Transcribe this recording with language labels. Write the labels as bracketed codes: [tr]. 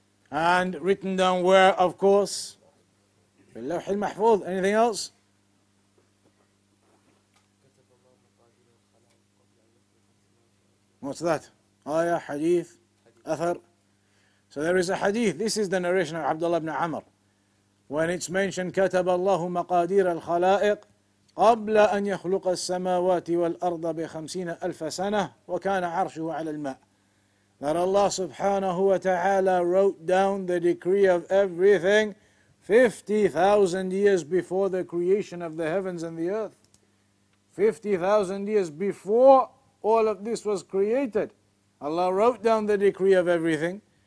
[en] And written down where, of course? [ar] Bil Lawh al Mahfuz. [en] Anything else? What's that? Ayah, hadith, athar. So there is a hadith. This is the narration of Abdullah ibn Amr. When it's mentioned, [ar] كتب الله مقادير الخلائق قبل أن يخلق السماوات والأرض بخمسين ألف سنة وكان عرشه على الماء. [en] That Allah subhanahu wa ta'ala wrote down the decree of everything 50,000 years before the creation of the heavens and the earth. 50,000 years before all of this was created, Allah wrote down the decree of everything.